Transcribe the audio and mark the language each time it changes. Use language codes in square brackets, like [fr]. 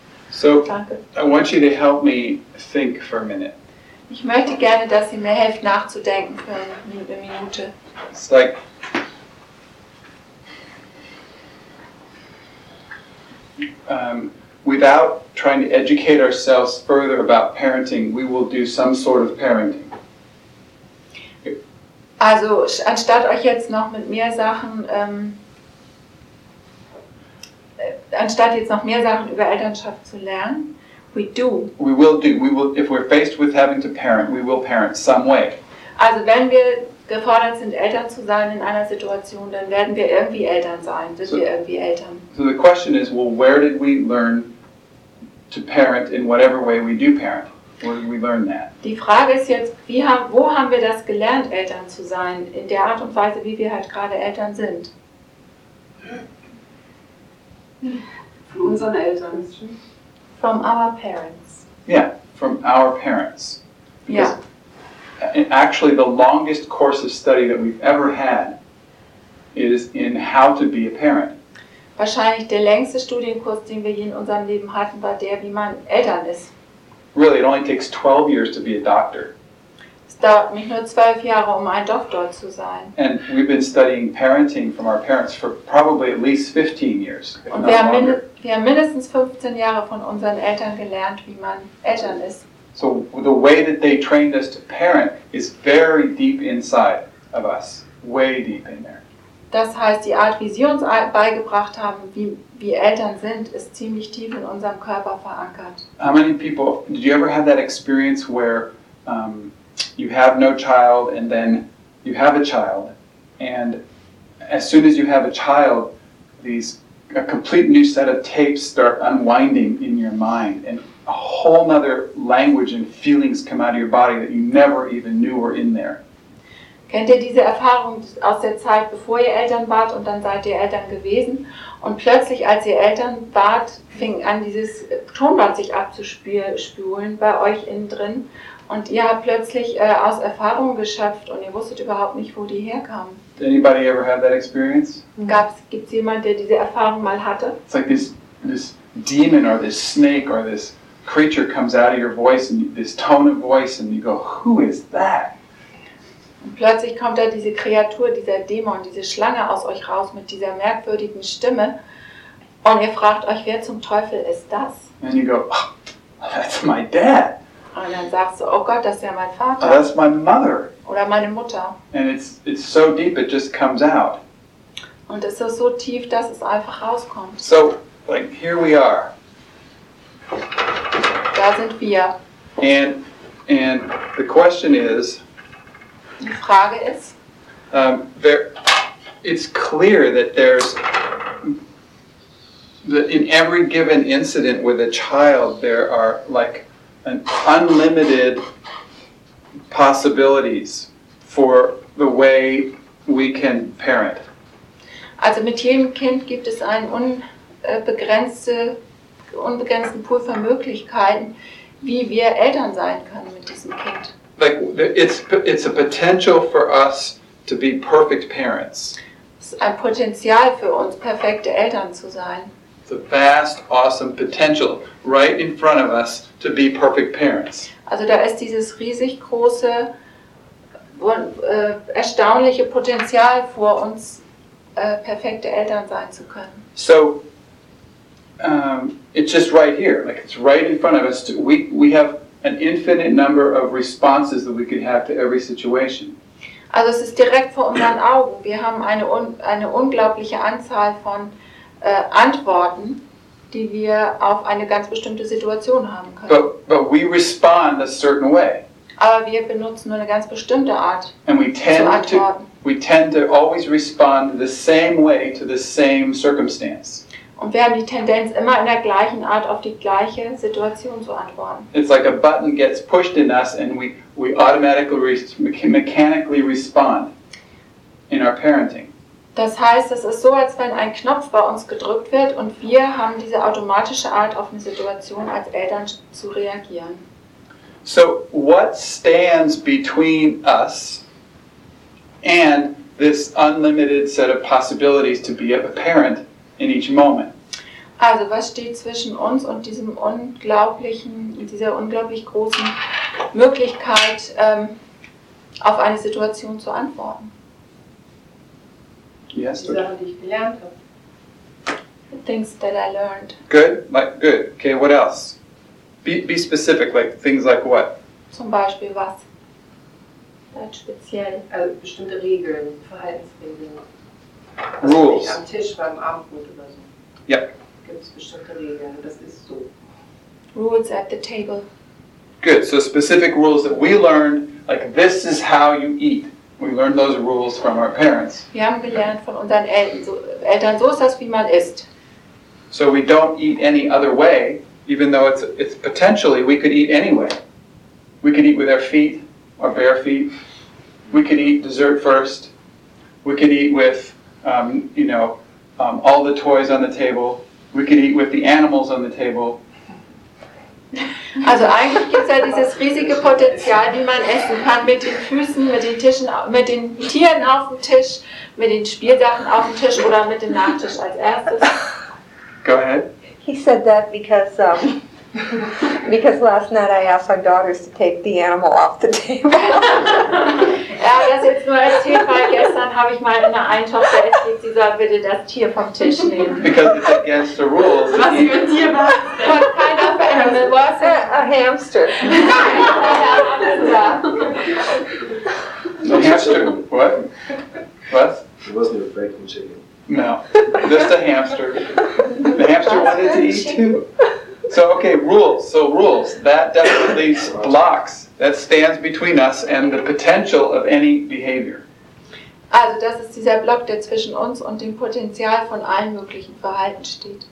[en] So, I want you to help me think for a minute. [de] Ich möchte gerne, dass ihr mir helft, nachzudenken für eine Minute. [en] It's like, without trying to educate ourselves further about parenting, we will do some sort of parenting. [de] Also, anstatt euch jetzt noch mit mehr Sachen anstatt jetzt noch mehr Sachen über Elternschaft zu lernen, [en] we do. We will do. We will, if we're faced with having to parent, we will parent some way. [de] Also wenn wir gefordert sind, Eltern zu sein in einer Situation, dann werden wir irgendwie Eltern sein. Wir irgendwie Eltern. [en] So the question is, well, where did we learn to parent in whatever way we do parent? Where did we learn that? [de] Die Frage ist jetzt, wo haben wir das gelernt, Eltern zu sein, in der Art und Weise, wie wir halt gerade Eltern sind? [en] From [de] unseren Eltern. [en] From our parents. Yeah, from our parents. Because yeah. Actually, the longest course of study that we've ever had is in how to be a parent. [de] Wahrscheinlich der längste Studienkurs, den wir je in unserem Leben hatten, war der, wie man Eltern ist. [en] Really, it only takes 12 years to be a doctor. [de] Es dauert mich nur 12 Jahre, um ein Doktor zu sein. [en] And we've been studying parenting from our parents for probably at least 15 years. [de] Und wir haben mindestens 15 Jahre von unseren Eltern gelernt, wie man Eltern ist. [en] So the way that they trained us to parent is very deep inside of us, way deep in there. [de] Das heißt, die Art, wie sie uns beigebracht haben, wie Eltern sind, ist ziemlich tief in unserem Körper verankert. [en] How many people, did you ever have that experience where you have no child and then you have a child, and as soon as you have a child, a complete new set of tapes start unwinding in your mind, and a whole other language and feelings come out of your body that you never even knew were in there. [de] Kennt ihr diese Erfahrung aus der Zeit, bevor ihr Eltern wart und dann seid ihr Eltern gewesen? Und plötzlich, als ihr Eltern wart, fing an, dieses Tonband sich abzuspülen bei euch innen drin. Und ihr habt plötzlich aus Erfahrungen geschöpft und ihr wusstet überhaupt nicht, wo die herkamen. [en] Did anybody ever have that experience? [de] Gibt's jemand, der diese Erfahrung mal hatte? [en] It's like this demon or this snake or this creature comes out of your voice and this tone of voice and you go, who is that? [de] Und plötzlich kommt da diese Kreatur, dieser Dämon, diese Schlange aus euch raus mit dieser merkwürdigen Stimme und ihr fragt euch, wer zum Teufel ist das? [en] And you go, oh, that's my dad. [de] Und dann sagst du, oh Gott, das ist ja mein Vater. [en] Oh, that's my mother. [de] Oder meine Mutter. [en] And it's so deep, it just comes out. [de] Und es ist so tief, dass es einfach rauskommt. [en] So, like, here we are. [de] Da sind wir. [en] And the question is, [de] die Frage ist, [en] it's clear that there's, that in every given incident with a child, there are, like, an unlimited possibilities for the way we can parent. [de] Also mit jedem Kind gibt es einen unbegrenzten Pool von Möglichkeiten, wie wir Eltern sein können mit diesem Kind. [en] Like it's a potential for us to be perfect parents. [de] Es ist ein Potenzial für uns, perfekte Eltern zu sein. [en] It's a vast, awesome potential right in front of us to be perfect parents. [de] Also da ist dieses riesig große, erstaunliche Potenzial vor uns, perfekte Eltern sein zu können. [en] So, it's just right here, like it's right in front of us. We have an infinite number of responses that we could have to every situation. [de] Also es ist direkt vor unseren Augen. Wir haben eine unglaubliche Anzahl von Antworten, die wir auf eine ganz bestimmte Situation haben können. [en] But we respond a certain way. [de] Aber wir benutzen nur eine ganz bestimmte Art zu antworten. [en] We tend to always respond the same way to the same circumstance. [de] Und wir haben die Tendenz, immer in der gleichen Art auf die gleiche Situation zu antworten. [en] It's like a button gets pushed in us and we automatically, mechanically respond in our parenting. [de] Das heißt, es ist so, als wenn ein Knopf bei uns gedrückt wird und wir haben diese automatische Art, auf eine Situation als Eltern zu reagieren. [en] So, what stands between us and this unlimited set of possibilities to be a parent in each moment? [de] Also, was steht zwischen uns und diesem unglaublichen, dieser unglaublich großen Möglichkeit, auf eine Situation zu antworten? [en] Yes, [de] die Sachen, die ich gelernt habe. [en] The things that I learned. Good, like good. Okay, what else? Be specific, like things like what? [de] Zum Beispiel was? Speziell. Also bestimmte Regeln, Verhaltensregeln. [en] Also rules. [de] Nicht am Tisch beim Abendbrot oder so. Ja. Gibt es bestimmte Regeln, das ist so. [en] Rules at the table. Good, so specific rules that we learned, like this is how you eat. We learned those rules from our parents. [de] Wir haben gelernt von unseren Eltern, so ist das, wie man isst. [en] So we don't eat any other way, even though it's potentially, we could eat anyway. We could eat with our feet. Our bare feet. We could eat dessert first. We could eat with, all the toys on the table. We could eat with the animals on the table. [de] Also eigentlich gibt es ja dieses riesige Potenzial, wie man essen kann, mit den Füßen, mit den Tischen, mit den Tieren auf dem Tisch, mit den Spielsachen auf dem Tisch oder mit dem Nachtisch als erstes. [en] Go ahead. He said that because. Because last night I asked my daughters to take the animal off the table. [de] Ja, das jetzt nur als Tier, weil gestern habe ich mal in der Eintopf erzählt, sie soll bitte das Tier vom Tisch nehmen. [en] Because it's against the rules. [de] Was für ein Tier war es denn? [en] Was kind of animal was it? A hamster. A hamster. What? Was? She wasn't afraid of chicken. No, just a hamster. The hamster wanted to eat too. So, okay, rules. So, rules. That definitely blocks. That stands between us and the potential of any behavior. [de] Also, das ist dieser Block, der zwischen uns und dem Potenzial von allen möglichen Verhalten steht.